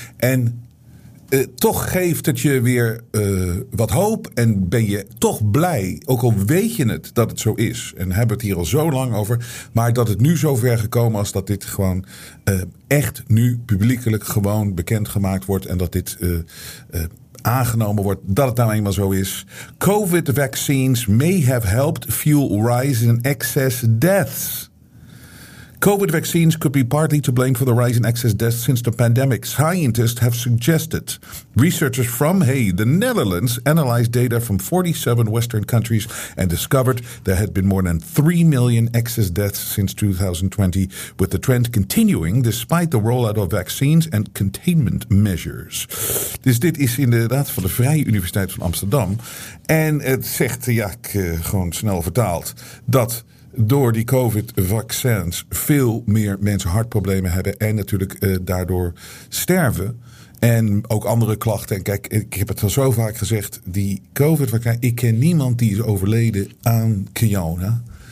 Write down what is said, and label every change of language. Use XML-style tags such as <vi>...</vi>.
<nl>En toch geeft het je weer wat hoop en ben je toch blij, ook al weet je het dat het zo is. En hebben het hier al zo lang over, maar dat het nu zo ver gekomen is dat dit gewoon echt nu publiekelijk gewoon bekendgemaakt wordt en dat dit aangenomen wordt, dat het nou eenmaal zo is.</nl> <en>COVID vaccines may have helped fuel rise in excess deaths. COVID vaccines could be partly to blame for the rise in excess deaths since the pandemic. Scientists have suggested. Researchers from, the Netherlands analyzed data from 47 Western countries and discovered there had been more than 3 million excess deaths since 2020, with the trend continuing despite the rollout of vaccines and containment measures.</en> <nl>Dus dit is inderdaad van de Vrije Universiteit van Amsterdam. En het zegt, ja, ik gewoon snel vertaald, dat door die COVID-vaccins veel meer mensen hartproblemen hebben en natuurlijk daardoor sterven. En ook andere klachten. En kijk, ik heb het al zo vaak gezegd, die COVID-vaccins, ik ken niemand die is overleden aan corona.</nl>